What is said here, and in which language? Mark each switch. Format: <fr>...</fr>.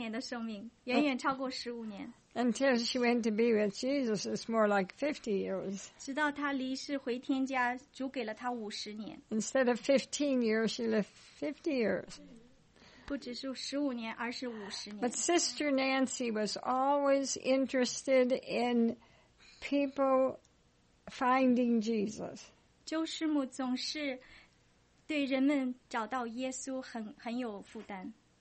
<zh>当她当时做这个见证的时候，主已经给了她40年的寿命，远远超过15年。</zh> <en>Until she went to be with Jesus, it's more like 50 years.</en> <zh>直到她离世回天家，主给了她50年。</zh> <en>Instead of 15 years, she lived 50 years.</en> <zh>不只是15年，而是50年。</zh> <en>But Sister Nancy was always interested in people finding Jesus.</en> <zh>周师母总是对人们找到耶稣很有负担。</zh>